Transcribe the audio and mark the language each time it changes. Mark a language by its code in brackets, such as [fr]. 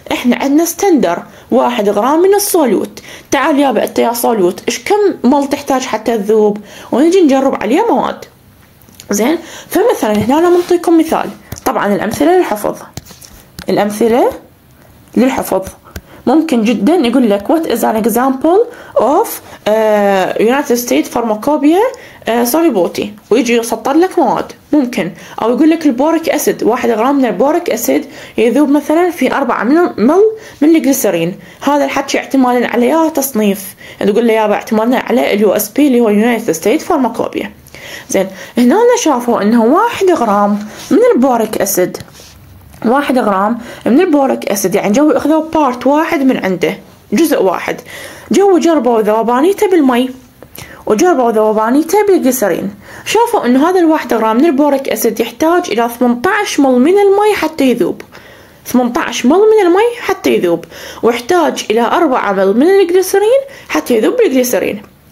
[ar] إحنا عندنا ستندر 1 غرام من الصولوت. تعال يا بقى يا صولوت إيش كم مول تحتاج حتى تذوب، ونجي نجرب عليه مواد. زين، فمثلا هنا أنا منطيكم مثال، طبعا الأمثلة للحفظ، الأمثلة للحفظ. ممكن جدا يقول لك [en] what is an example of United States Pharmacopoeia solubility [ar] ويجي يسطر لك مواد. ممكن، او يقول لك البوريك اسيد، 1 غرام من البوريك اسيد يذوب مثلا في 4 مل من الجلسرين. هذا الحكي احتمالا عليه تصنيف، تقول لي يابا احتمالا على USP اللي هو United States Pharmacopoeia. زين، هنا انا شافوا انه 1 غرام من البوريك اسيد، 1 غرام من البوريك اسيد، يعني جو اخذوا بارت واحد من عنده، جزء واحد، جو جربوا ذوبانيته بالمي وجربوا ذوبانيته بالجلسرين، شافوا انه هذا 1 غرام من البوريك اسيد يحتاج الى 18 مل من المي حتى يذوب، 18 مل من المي حتى يذوب، واحتاج الى 4 مل من الجلسرين حتى يذوب بالجلسرين.